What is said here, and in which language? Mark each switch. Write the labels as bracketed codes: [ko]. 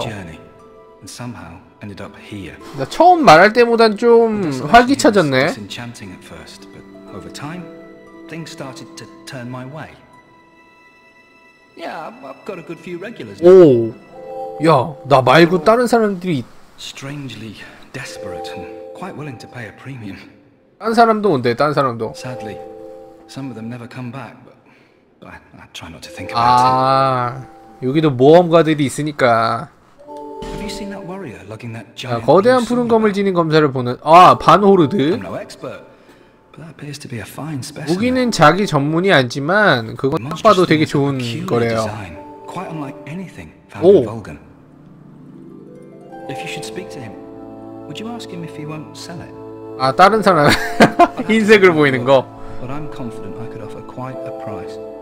[en] And somehow ended up here. [ko] 나 처음 말할 때보단 좀 활기차졌네. [en] Enchanting at first, but over time, things started to turn my way. Yeah, I've got a good few regulars. [ko] 오, 야, 나 말고 다른 사람들이. [en] Strangely desperate and quite willing to pay a premium. [ko] 다른 사람도 온대, 다른 사람도. [en] Sadly, some of them never come back. I try not to think about it. [ko] 아, 여기도 모험가들이 있으니까. [en] Have you seen that warrior lugging that giant? [ko] 거대한 푸른 검을 지닌 검사를 보는. 아, 반호르드. [en] I'm no expert, but that appears to be a fine specimen. [ko] 무기는 자기 전문이 아니지만 그건 딱 봐도 되게 좋은 거래요. [en] Quite unlike anything found in Volgan. If you should speak to him, would you ask him if he won't sell it? [ko] 아, 다른 사람 흰색으로 보이는 거. [en] But I'm confident I could offer quite a price.